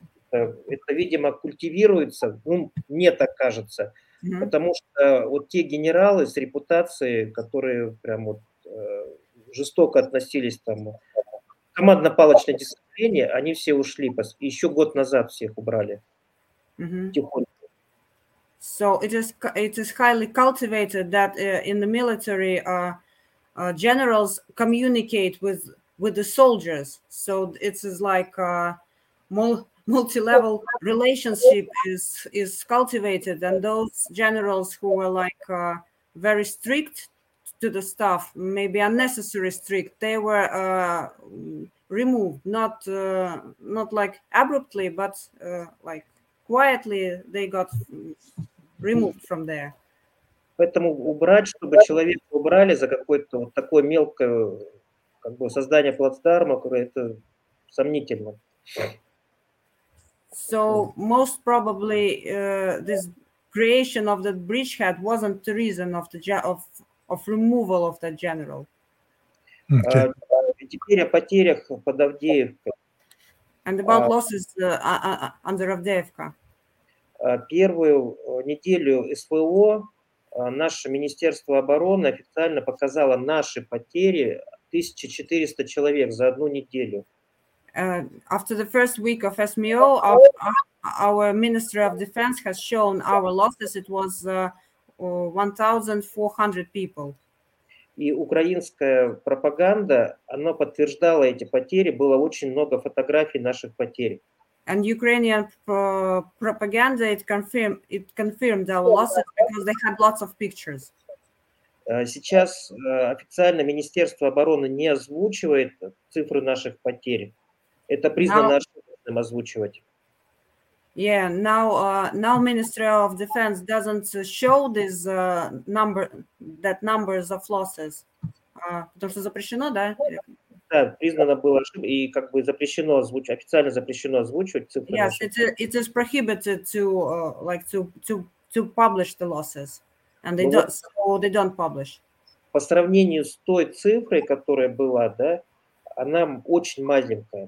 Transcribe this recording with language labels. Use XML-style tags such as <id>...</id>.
<ru>Это, видимо, культивируется, мне так кажется. Mm-hmm. Потому что вот те генералы с репутацией, которые прям вот жестоко относились там, командно-палочное дисциплине, они все ушли, еще год назад всех убрали. Mm-hmm. Тихонько.</ru> <en>So it is highly cultivated that in the military generals communicate with the soldiers. So it is like multi-level relationship is cultivated, and those generals who were like very strict to the staff, maybe unnecessarily strict, they were removed, not like abruptly, but like quietly they got removed from there.</en> <ru>Поэтому убрать, чтобы человека убрали за какое-то вот такое мелкое как бы создание плацдарма, это сомнительно.</ru> <en>So most probably this creation of the bridgehead wasn't the reason of the of removal of the general.</en> <ru>Теперь о потерях под Авдеевкой.</ru> <en>And about losses under Авдеевка.</en> <ru>Первую неделю СВО наше Министерство обороны официально показало наши потери 1400 человек за одну неделю.</ru> <en>After the first week of SMO, our Ministry of Defense has shown our losses. It was 1,400 people.</en> <ru>И украинская пропаганда, она подтверждала эти потери, было очень много фотографий наших потерь.</ru> <en>And Ukrainian propaganda it confirmed the losses because they had lots of pictures.</en> <ru>Сейчас официально Министерство обороны не озвучивает цифры наших потерь. Это признано ошибочным озвучивать.</ru> <en>Yeah, now Ministry of Defense doesn't show this numbers of losses.</en> <ru>Потому что запрещено, да? Да, признано было ошибкой и как бы запрещено озвучивать, официально запрещено озвучивать цифры.</ru> <en>Yes, it is prohibited to publish the losses. And they don't publish.</en> <ru>По сравнению с той цифрой, которая была, да, она очень маленькая.</ru>